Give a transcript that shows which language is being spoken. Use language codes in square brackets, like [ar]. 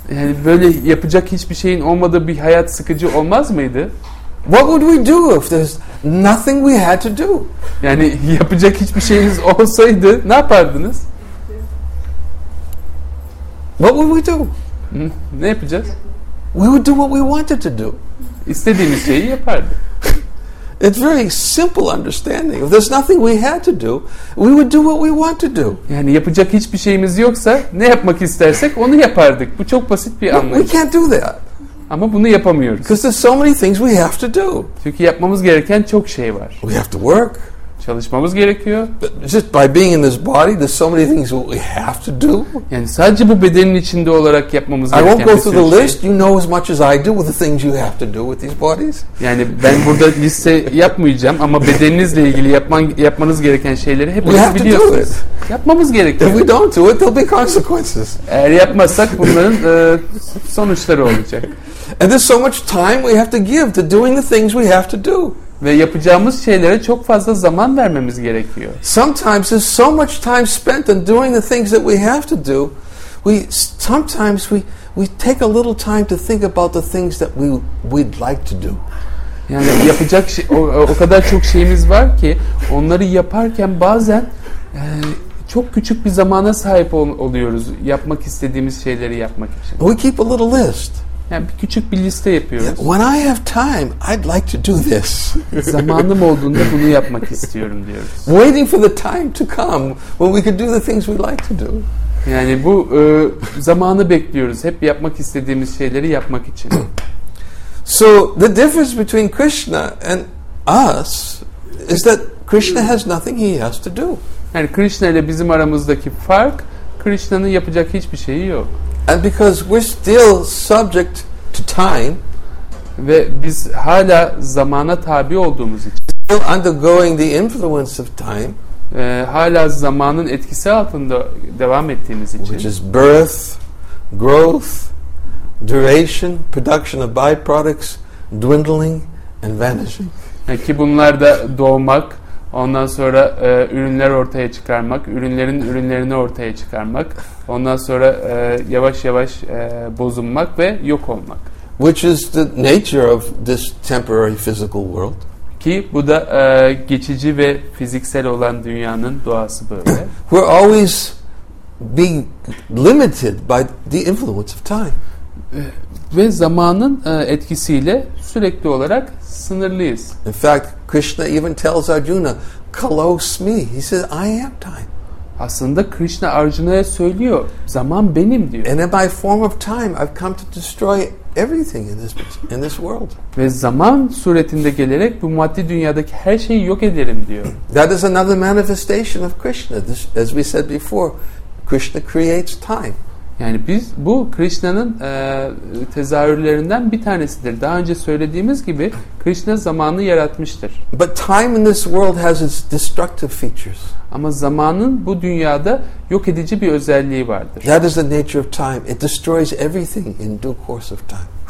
[tr] Yani böyle yapacak hiçbir şeyin olmadığı bir hayat sıkıcı olmaz mıydı? [en] What would we do if there's nothing we had to do? [tr] Yani yapacak hiçbir şeyiniz olsaydı ne yapardınız? [en] What would we do? [tr] Ne yapacağız? [en] We would do what we wanted to do. [tr] İstediğimiz şeyi yapardık. [en] It's very simple understanding. If there's nothing we had to do, we would do what we want to do. [tr] Yani yapacak hiçbir şeyimiz yoksa ne yapmak istersek onu yapardık. Bu çok basit bir anlayış. [en] We can't do that. [tr] Ama bunu yapamıyoruz. [en] Because there's so many things we have to do. [tr] Çünkü yapmamız gereken çok şey var. [en] We have to work. [tr] Çalışmamız gerekiyor. [en] But just by being in this body, there's so many things we have to do. [tr] Yani sadece bu bedenin içinde olarak yapmamız gereken [en] I won't go through the list. You know as much as I do with the things you have to do with these bodies. [tr] Yani ben burada liste yapmayacağım ama bedeninizle ilgili yapmanız gereken şeyleri hepiniz biliyorsunuz. [en] We have to do it. [tr] Yapmamız gerekiyor. [en] If we don't do it, there'll be consequences. [tr] Eğer yapmazsak bunların sonuçları olacak. [en] And there's so much time we have to give to doing the things we have to do. [tr] Ve yapacağımız şeylere çok fazla zaman vermemiz gerekiyor. [en] Sometimes there's so much time spent on doing the things that we have to do, we sometimes take a little time to think about the things that we'd like to do. [tr] Yani yapacak o kadar çok şeyimiz var ki onları yaparken bazen çok küçük bir zamana sahip oluyoruz yapmak istediğimiz şeyleri yapmak için. [en] We keep a little list. [tr] Yani bir küçük bir liste yapıyoruz. [en] When I have time, I'd like to do this. [tr] Zamanım olduğunda bunu yapmak istiyorum diyoruz. [en] Waiting for the time to come when we could do the things we like to do. [tr] Yani bu zamanı bekliyoruz. Hep yapmak istediğimiz şeyleri yapmak için. [en] So the difference between Krishna and us is that Krishna has nothing he has to do. [tr] Yani Krishna ile bizim aramızdaki fark, Krishna'nın yapacak hiçbir şeyi yok. [en] And because we're still subject to time, [tr] ve biz hala zamana tabi olduğumuz için, [en] still undergoing the influence of time, [tr] hala zamanın etkisi altında devam ettiğimiz için, [en] which is birth, growth, duration, production of byproducts, dwindling and vanishing. [tr] Ki bunlar da doğmak, ondan sonra ürünler ortaya çıkarmak, ürünlerin ürünlerini ortaya çıkarmak, ondan sonra yavaş yavaş bozulmak ve yok olmak. [en] Which is the nature of this temporary physical world. [tr] Ki bu da geçici ve fiziksel olan dünyanın doğası böyle. [en] We're always being limited by the influence of time. [tr] Ve zamanın etkisiyle sürekli olarak sınırlıyız. [en] In fact, Krishna even tells Arjuna, close me. He says, I am time. [tr] Aslında Krishna Arjuna'ya söylüyor, zaman benim diyor. [en] And in my form of time, I've come to destroy everything in this world. [tr] Ve zaman suretinde gelerek bu maddi dünyadaki her şeyi yok ederim diyor. [en] That is another manifestation of Krishna. This, as we said before, Krishna creates time. [tr] Yani biz bu Krishna'nın tezahürlerinden bir tanesidir. Daha önce söylediğimiz gibi Krishna zamanı yaratmıştır. [en] But time in this world has its destructive features. [tr] Ama zamanın bu dünyada yok edici bir özelliği vardır. [en] That is the nature of time. It destroys everything in due course of time.